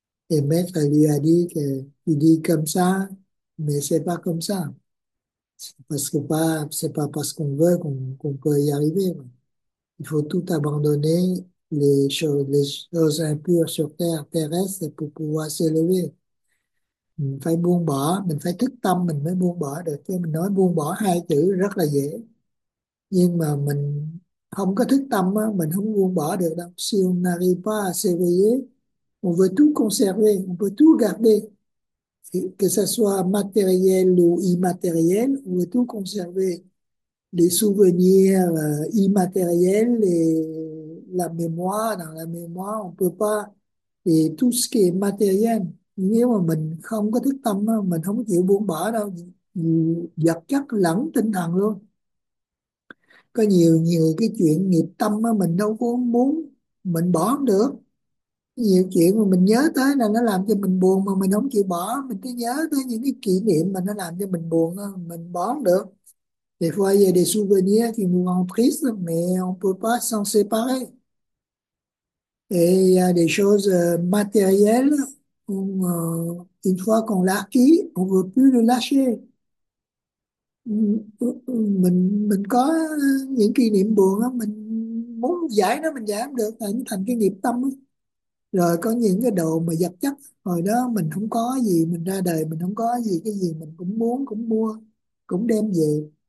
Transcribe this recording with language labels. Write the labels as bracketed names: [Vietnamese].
[French] Et maître lui a dit que il dit comme ça, mais c'est pas comme ça. Parce que pas, c'est pas parce qu'on veut qu'on peut y arriver. Il faut tout abandonner, les choses impures sur terre, terrestre, pour pouvoir s'élever. [Vietnamese] Mình phải buông bỏ, mình phải thức tâm mình mới buông bỏ được. Chứ mình nói buông bỏ hai chữ rất là dễ, nhưng mà mình không có thức tâm á, mình không buông bỏ được đâu. [French] Si on n'arrive pas à se réveiller, on veut tout conserver, on veut tout garder, que ce soit matériel ou immatériel, on veut tout conserver, les souvenirs immatériels et la mémoire. Dans la mémoire, on peut pas, et tout ce qui est matériel, [Vietnamese] nếu mà mình không có thức tâm, mình không chịu buông bỏ đâu, vật chất lẫn tinh thần luôn. Có nhiều nhiều cái chuyện nghiệp tâm mình đâu có muốn, mình bỏ không được. Nhiều chuyện mà mình nhớ tới là nó làm cho mình buồn, mà mình không chịu bỏ, mình cứ nhớ tới những cái kỷ niệm mà nó làm cho mình buồn, mình bỏ không được. [French] Des fois, il y a des souvenirs qui nous rendent tristes, mais on peut pas s'en séparer. Et il y a des choses matérielles, une fois qu'on l'a acquis, on veut plus le lâcher. [Vietnamese] Mình có những kỷ niệm buồn á, mình muốn giải nó, mình giải không được, thành cái nghiệp tâm đó. Rồi có những cái đồ mà vật chất, hồi đó mình không có gì, mình ra đời mình không có gì, cái gì mình cũng muốn, cũng mua, cũng đem về.